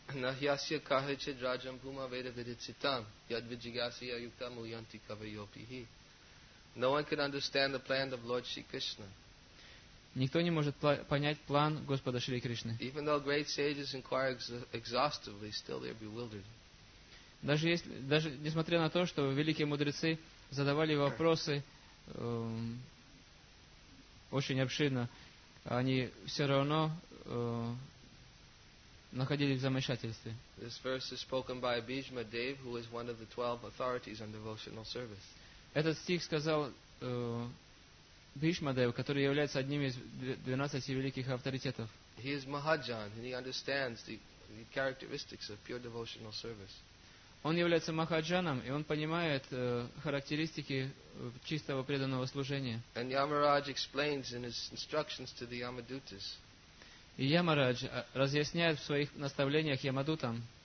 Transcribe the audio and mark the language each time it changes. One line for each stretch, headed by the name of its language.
Sanskrit: Нахьяся кахаче драджам бхума веда ведицитам ядвиджигасия юктам уянти кавайопихи.
English: No one can understand the plan of Lord Shri Krishna.
Russian: Никто не может понять план Господа Шри Кришны.
English: Even though great sages inquire exhaustively, still they are bewildered.
Russian: Даже несмотря на то, что великие мудрецы задавали вопросы очень обширно, они все равно находились в замешательстве.
English: This verse is spoken by Bhishma Dev, who is one of the 12 authorities on devotional service.
Russian: Этот стих сказал Бхишмадев, который является одним из 12 великих авторитетов.
English: He is Mahajan, and he understands the characteristics of pure devotional service.
Russian: Он является Махаджаном, и он понимает характеристики чистого преданного служения.
English: And Yamaraj explains in his instructions to the Yamadutas.
Russian: И Ямарадж разъясняет в своих наставлениях Ямадутам,